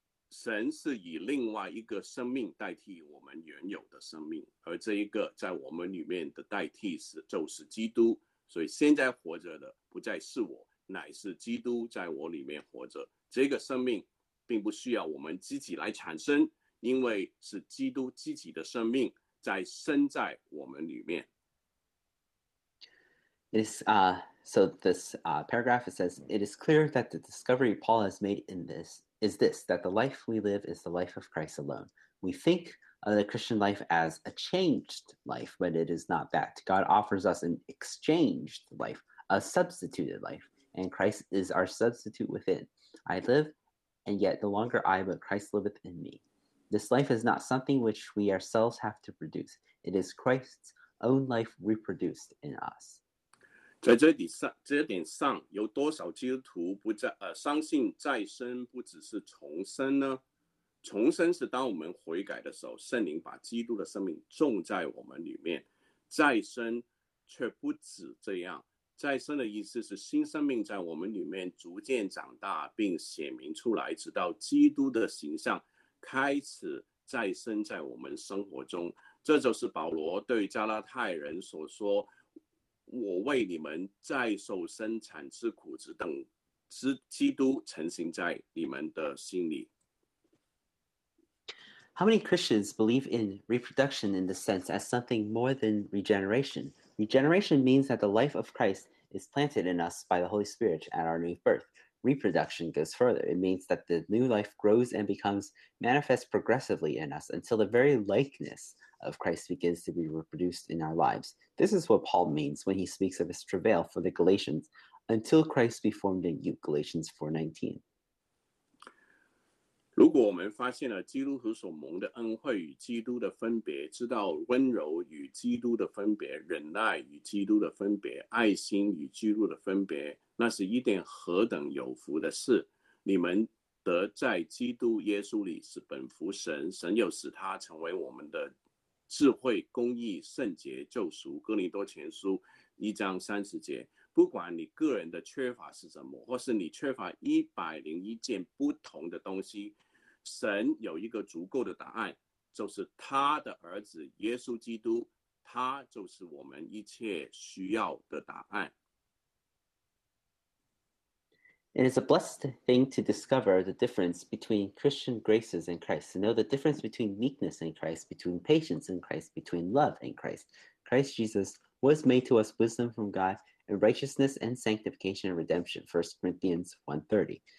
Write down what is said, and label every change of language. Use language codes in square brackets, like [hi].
[zh] 神是以另外一个生命代替我们原有的生命，而这一个在我们里面的代替是就是基督。所以现在活着的不再是我，乃是基督在我里面活着。这个生命并不需要我们自己来产生，因为是基督自己的生命在生在我们里面。 [en] So this paragraph, it says, it is clear that the discovery Paul has made in this is this, that the life we live is the life of Christ alone. We think of the Christian life as a changed life, but it is not that. God offers us an exchanged life, a substituted life, and Christ is our substitute within. I live, and yet no longer I, but Christ liveth in me. This life is not something which we ourselves have to produce. It is Christ's own life reproduced in us. [zh] 在这点上，有多少基督徒不再相信再生不只是重生呢？重生是当我们悔改的时候，圣灵把基督的生命种在我们里面。再生却不止这样，再生的意思是新生命在我们里面逐渐长大并显明出来，直到基督的形象开始再生在我们生活中。这就是保罗对加拉太人所说，我为你们再受生产之苦子等之基督成形在你们的心里。 [en] How many Christians believe in reproduction in the sense as something more than regeneration? Regeneration means that the life of Christ is planted in us by the Holy Spirit at our new birth. Reproduction goes further. It means that the new life grows and becomes manifest progressively in us until the very likenessof Christ begins to be reproduced in our lives. This is what Paul means when he speaks of his travail for the Galatians, until Christ be formed in you, Galatians 4:19. [zh] 如果我们发现了基督徒所蒙的恩惠与基督的分别，知道温柔与基督的分别，忍耐与基督的分别，爱心与基督的分别，那是一点何等有福的事。你们得在基督耶稣里是本乎神，神又使他成为我们的智慧、公义、圣洁、救赎。哥林多前书1:30。不管你个人的缺乏是什么，或是你缺乏101件不同的东西，神有一个足够的答案，就是他的儿子耶稣基督，他就是我们一切需要的答案。 [en] It is a blessed thing to discover the difference between Christian graces in Christ, to know the difference between meekness in Christ, between patience in Christ, between love in Christ. Christ Jesus was made to us wisdom from God and righteousness and sanctification and redemption, 1 Corinthians 1:30.